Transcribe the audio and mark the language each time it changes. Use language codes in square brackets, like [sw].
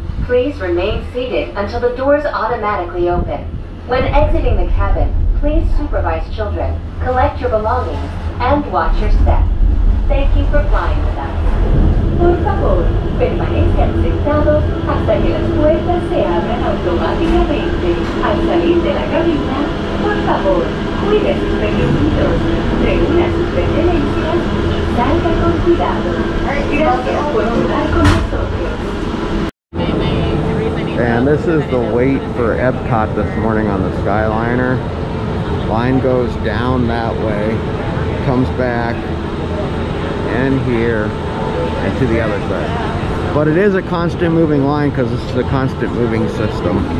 [en] Remain seated until the doors automatically open. When exiting the cabin, please supervise children, collect your belongings, and watch your step. Thank you for flying with us. [es] Por favor, permanezcan sentados hasta que las puertas se abran automáticamente. Al salir de la cabina, por favor, cuide sus pertenecimientos, reúna sus pertenencias y salga con cuidado. Gracias por estar con nosotros. [en] And this is the wait for Epcot this morning on the Skyliner. Line goes down that way, comes back in here, and to the other side. But it is a constant moving line because this is a constant moving system.